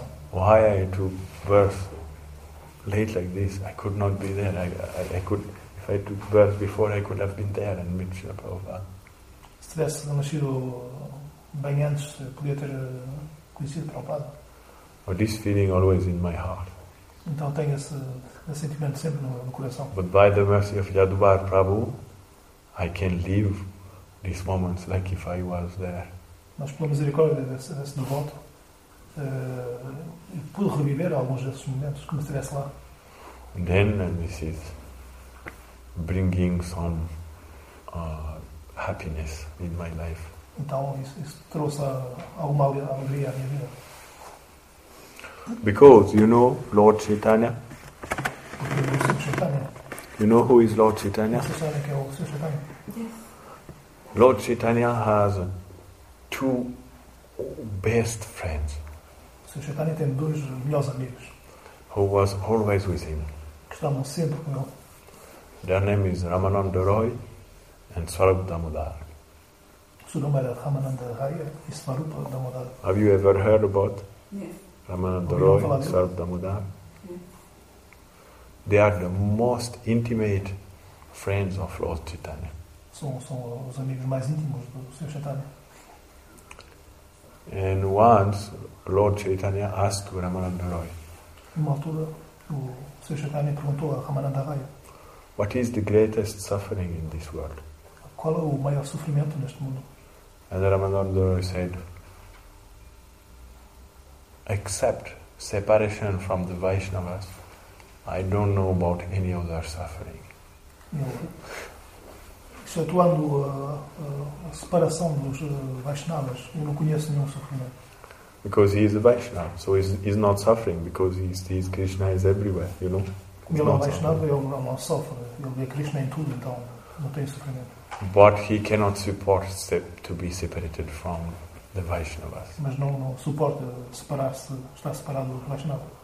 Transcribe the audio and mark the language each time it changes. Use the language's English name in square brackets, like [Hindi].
[English] Why I took birth late like this? I could not be there. I could. I took birth before I could have been there and met Srila Prabhupada. [Portuguese] Se tivesse nascido bem antes, podia ter conhecido Prabhupada. [English] Or this feeling always in my heart. [Portuguese] Então tenho esse sentimento sempre no coração. [English] But by the mercy of Yadubar Prabhu, I can live these moments like if I was there. [Portuguese] Mas pela misericórdia desse devoto, eu pude reviver alguns desses momentos como se estivesse lá. [English] And then, and this is bringing some happiness in my life. [Portuguese] Então, isso trouxe alguma alegria à minha vida. [English] Because you know Lord Chaitanya. Chaitanya. You know who is Lord Chaitanya? Chaitanya. Yes. Lord Chaitanya has two best friends. [Portuguese] Chaitanya tem dois melhores amigos. [English] Who was always with him. [Portuguese] Que estavam sempre com ele. [English] Their name is Ramananda Roy and Swarup Damodar. [Portuguese] Su nome era Ramananda Roy e Swarup Damodar. [English] Have you ever heard about Ramananda Roy and Swarup Damodar? They are the most intimate friends of Lord Chaitanya. [Portuguese] São os amigos mais íntimos do Sr. Chaitanya. [English] And once Lord Chaitanya asked Ramananda Roy. [Portuguese] Uma altura o Sr. Chaitanya perguntou a Ramananda Roy. [English] What is the greatest suffering in this world? [Portuguese] Qual é o maior sofrimento neste mundo? [English] And Ramananda Roy said, except separation from the Vaishnavas, I don't know about any other suffering. [Portuguese] Excetuando a separação dos Vaishnavas, eu não conheço nenhum sofrimento. [English] Because he is a Vaishnava, so he's not suffering, because he is Krishna is everywhere, you know? [Portuguese] Ele não faz nada, ele não sofre. Ele vê Krishna em tudo, então não tem sofrimento. [English] But he cannot support to be separated from the Vaishnavas. [Portuguese] Mas não suporta separar-se, estar separado do Vaishnava.